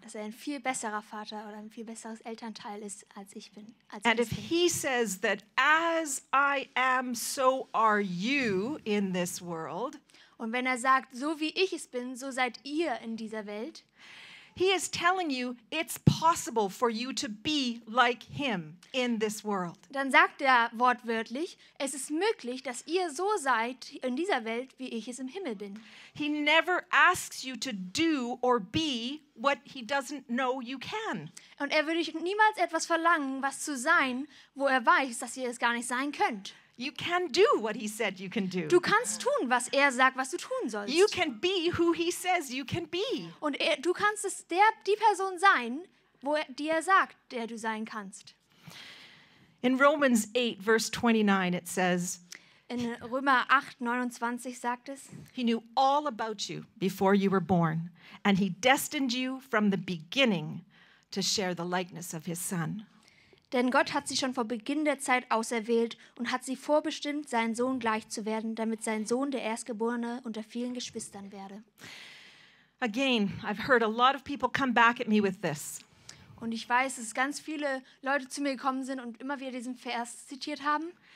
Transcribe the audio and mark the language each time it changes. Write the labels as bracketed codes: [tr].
[de] Dass er ein viel besserer Vater oder ein viel besseres Elternteil ist, als ich bin. [en] And if he says that as I am, so are you in this world, [de] und wenn er sagt, so wie ich es bin, so seid ihr in dieser Welt, [en] he is telling you it's possible for you to be like him in this world. [de] Dann sagt er wortwörtlich, es ist möglich, dass ihr so seid in dieser Welt, wie ich es im Himmel bin. [en] He never asks you to do or be what he doesn't know you can. [de] Und er würde niemals etwas verlangen, was zu sein, wo er weiß, dass ihr es gar nicht sein könnt. [en] You can do what he said you can do. [de] Du kannst tun, was sagt, was du tun sollst. [en] You can be who he says you can be. [de] Und du kannst es die Person sein, wo die sagt, der du sein kannst. [en] In Romans 8, verse 29, it says, [de] in Römer 8, 29 sagt es, [en] he knew all about you before you were born, and he destined you from the beginning to share the likeness of his son. [de] Denn Gott hat sie schon vor Beginn der Zeit auserwählt und hat sie vorbestimmt, seinen Sohn gleich zu werden, damit sein Sohn der Erstgeborene unter vielen Geschwistern werde. [en] Again, I've heard a lot of people come back at me with this. [de] Und ich weiß, dass ganz viele Leute zu mir gekommen sind und immer wieder diesen Vers zitiert haben.